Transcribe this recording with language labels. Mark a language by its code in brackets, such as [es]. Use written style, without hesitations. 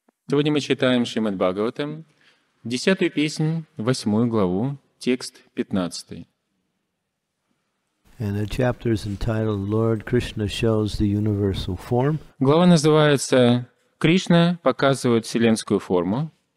[ru] Сегодня мы читаем Шримад Бхагаватам, 10-ю песню, 8-ю главу, текст 15. [en] And the chapter is entitled Lord Krishna shows the universal form. [ru] Глава называется Кришна показывает вселенскую форму.